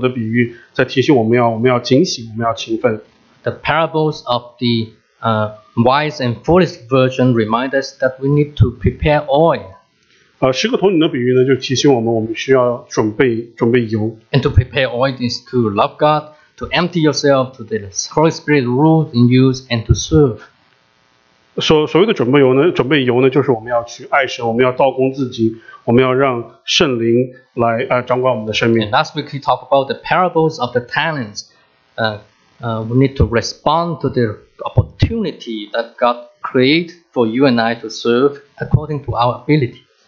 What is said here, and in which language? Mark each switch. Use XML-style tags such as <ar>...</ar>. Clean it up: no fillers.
<zh>就是其中一个比喻，就是这个忠心的仆人的比喻和忠心的仆人和恶仆的比喻，在提醒我们要警醒，我们要勤奋。</zh> <en>The parables of the wise and foolish virgin remind us that we need to prepare oil.</en> <zh>十个童女的比喻呢，就提醒我们，我们需要准备油。</zh> <en>And to prepare oil is to love God, to empty yourself, to the Holy Spirit rule in you, and to serve.</en> <zh>所谓的准备油呢，就是我们要去爱神，我们要造工自己，我们要让圣灵来掌管我们的生命。</zh> <en>And last week we talked about the parables of the talents. We need to respond to the opportunity that God created for you and I to serve according to our ability.</en>